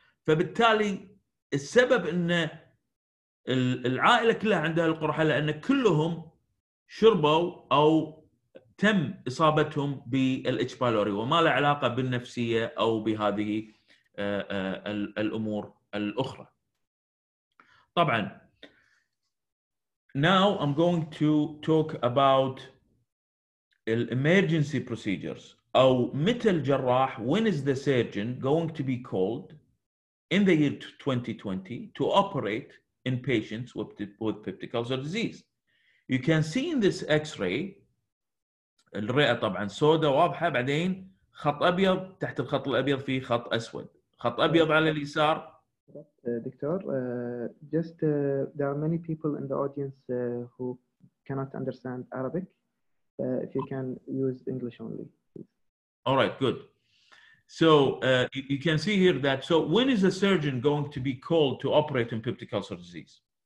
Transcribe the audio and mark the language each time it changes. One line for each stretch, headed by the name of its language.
Arabic: فبالتالي السبب أن العائلة كلها عندها القرحة لأن كلهم شربوا أو تم إصابتهم بالإتش بايلوري, وما له علاقة بالنفسية أو بهذه الأمور الأخرى. طبعا
English: now I'm going to talk about emergency procedures,
Arabic: أو متى الجراح,
English: when is the surgeon going to be called in the year 2020 to operate in patients with peptic ulcer disease. You can see in this x-ray,
Arabic: الرئة طبعا سوداء واضحة, بعدين خط أبيض, تحت الخط الأبيض فيه خط أسود, خط أبيض على اليسار.
English: Doctor, there are many people in the audience who cannot understand Arabic. If you can use English only. All right, good. So you can see here that, so when is a surgeon going to be called to operate in peptic ulcer disease?